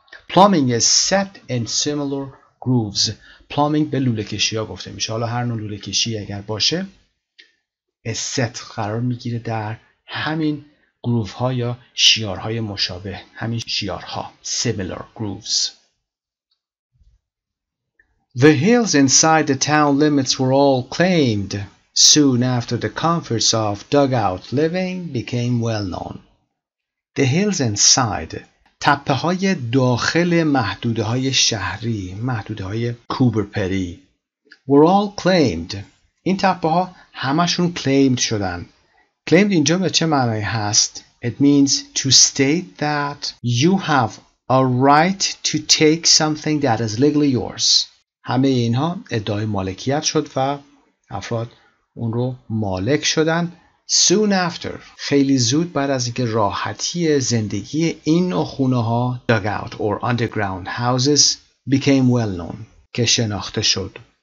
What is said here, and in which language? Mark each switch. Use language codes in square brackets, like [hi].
[en] Plumbing is set in similar grooves. [fa] پلامینگ به لوله کشی ها گفته میشه. حالا هر نوع لوله کشی اگر باشه است قرار میگیره در همین گروف ها یا شیار های مشابه، همین شیار ها، [en] similar grooves. The hills inside the town limits were all claimed soon after the comforts of dugout living became well known. The hills inside، [fa] تپه های داخل محدوده های شهری، محدوده های کوبرپری، [en] were all claimed. [fa] این تپه ها همشون claimed شدن. [en] Claimed [fa] اینجا به چه معنی هست؟ [en] It means to state that you have a right to take something that is legally yours. [fa] همه اینها ادعای مالکیت شد و افراد اون رو مالک شدن. Soon after، خیلی زود بعد از اینکه راحتی زندگی این نوع خونه ها [en] dugout or underground houses became well known، [fa] که شناخته شد.